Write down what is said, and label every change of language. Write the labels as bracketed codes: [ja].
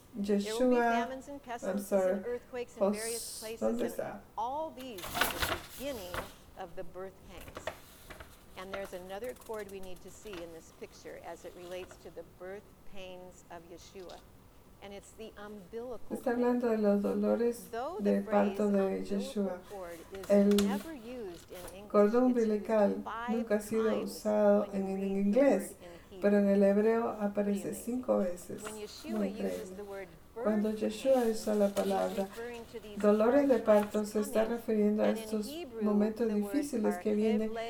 [en] Yeshua, I'm sorry, [es] ¿dónde está? [en] All these are the beginning of the birth pangs. And there's another cord we need to see in this picture as it relates to the birth pains of Yeshua. And it's the umbilical cord. [es] Está hablando de los dolores de parto de Yeshua. El cordón umbilical nunca ha sido usado en inglés, pero en el hebreo aparece 5 veces. Muy increíble. Cuando Yeshua usa la palabra dolores de parto, se está refiriendo a estos momentos difíciles que vienen.